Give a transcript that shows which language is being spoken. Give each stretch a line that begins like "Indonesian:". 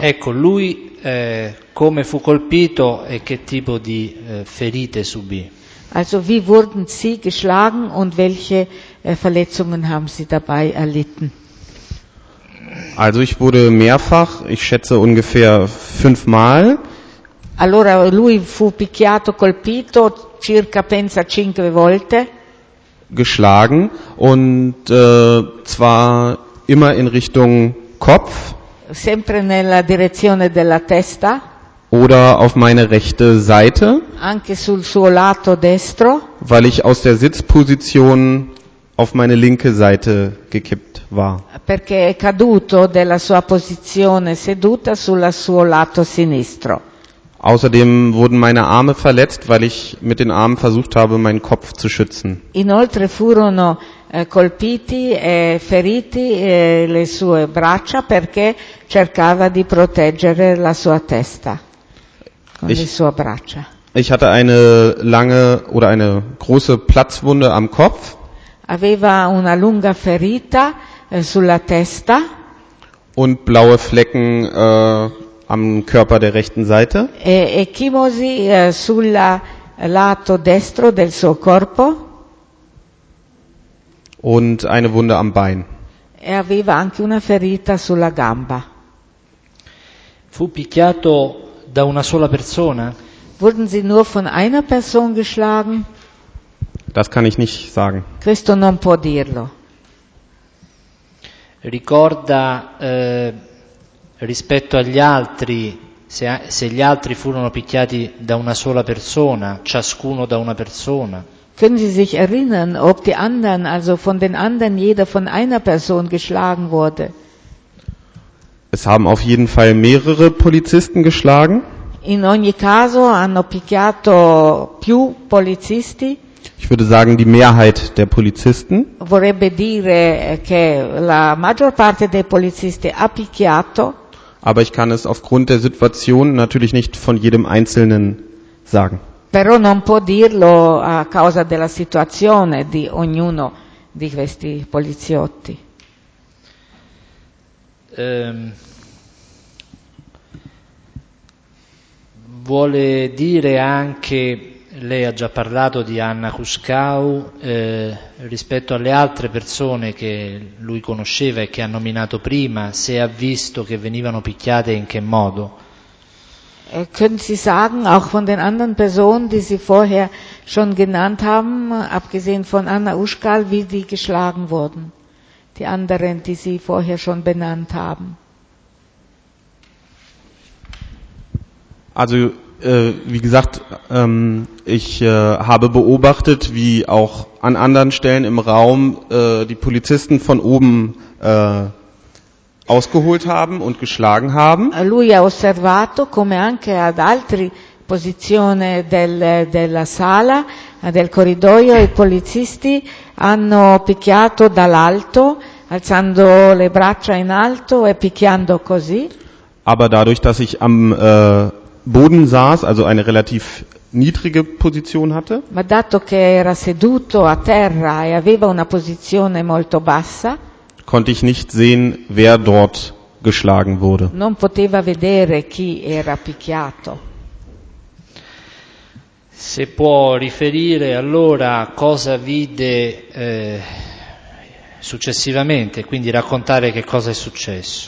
Italian: Ecco, lui come fu colpito e che tipo di ferite subì?
German: Also wie wurden Sie geschlagen und welche Verletzungen haben Sie dabei erlitten? Also ich wurde mehrfach, ich schätze ungefähr fünfmal.
Italian: Allora lui fu picchiato, colpito circa pensa cinque volte.
German: Geschlagen und zwar immer in Richtung Kopf.
Italian: Sempre nella direzione della testa.
German: Oder auf meine rechte Seite.
Italian: Anche sul suo lato destro.
German: Weil ich aus der Sitzposition auf meine linke Seite gekippt war.
Italian: Perché è caduto della sua posizione seduta sul suo lato sinistro.
German: Außerdem wurden meine Arme verletzt, weil ich mit den Armen versucht habe, meinen Kopf zu schützen.
Italian: Inoltre furono colpiti e feriti le sue braccia perché cercava di proteggere la sua testa con le sue braccia.
German: Ich hatte eine lange oder eine große Platzwunde am Kopf.
Italian: Aveva una lunga ferita sulla testa.
German: Und blaue Flecken am Körper der rechten Seite.
Italian: E chimosi sul lato destro del suo corpo.
German: Und eine Wunde am Bein.
Italian: E aveva anche una ferita sulla gamba. Fu picchiato da una sola persona?
German: Wurden sie nur von einer Person geschlagen? Das kann ich nicht sagen.
Italian: Questo non può dirlo. Ricorda rispetto agli altri, se gli altri furono picchiati da una sola persona, ciascuno da una persona.
German: Können Sie sich erinnern, ob die anderen, also von den anderen, jeder von einer Person geschlagen wurde? Es haben auf jeden Fall mehrere Polizisten geschlagen.
Italian: In ogni caso hanno picchiato più polizisti.
German: Ich würde sagen, die Mehrheit der Polizisten.
Italian: Vorrebbe dire che la maggior parte dei polizisti ha picchiato.
German: Aber ich kann es aufgrund der Situation natürlich nicht von jedem Einzelnen sagen.
Italian: Però non può dirlo a causa della situazione di ognuno di questi poliziotti. Vuole dire anche, lei ha già parlato di Anna Kuskau, rispetto alle altre persone che lui conosceva e che ha nominato prima, se ha visto che venivano picchiate in che modo?
German: Können Sie sagen, auch von den anderen Personen, die Sie vorher schon genannt haben, abgesehen von Anna Uschkal, wie die geschlagen wurden? Die anderen, die Sie vorher schon benannt haben? Also, wie gesagt, ich habe beobachtet, wie auch an anderen Stellen im Raum die Polizisten von oben ausgeholt haben und geschlagen haben.
Italian: Lui ha osservato come anche ad altre posizioni della sala, del corridoio, i polizisti hanno picchiato dall'alto, alzando le braccia in alto e picchiando così.
German: Aber dadurch, dass ich am Boden saß, also eine relativ niedrige Position hatte.
Italian: Ma dato che era seduto a terra e aveva una posizione molto bassa,
German: konnte ich nicht sehen, wer dort geschlagen wurde.
Italian: Non poteva vedere chi era picchiato. Se può riferire allora cosa vide successivamente, quindi raccontare che cosa è successo.